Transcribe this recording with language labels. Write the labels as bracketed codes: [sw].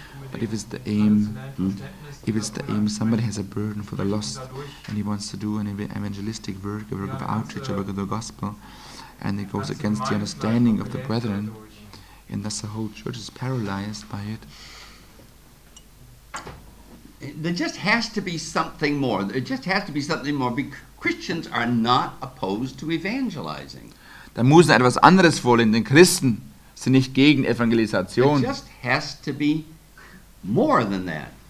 [en] But if it's the aim, somebody has a burden for the lost, and he wants to do an evangelistic work, a work of outreach, a work of the gospel, and it goes against the understanding of the brethren, and thus the whole church is paralyzed by it. There just has to be something more. There just has to be something more, because Christians are not opposed to evangelizing. [de] Da muss etwas anderes vorliegen, denn Christen sind nicht gegen Evangelisation. [en] It just has to be more than that.